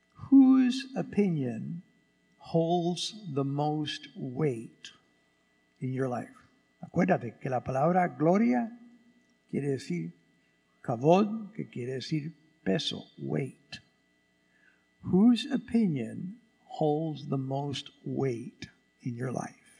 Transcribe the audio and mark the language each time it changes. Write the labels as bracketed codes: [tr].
[en] Whose opinion holds the most weight in your life? [es] Acuérdate que la palabra gloria quiere decir kavod, que quiere decir peso, [en] weight. Whose opinion holds the most weight in your life?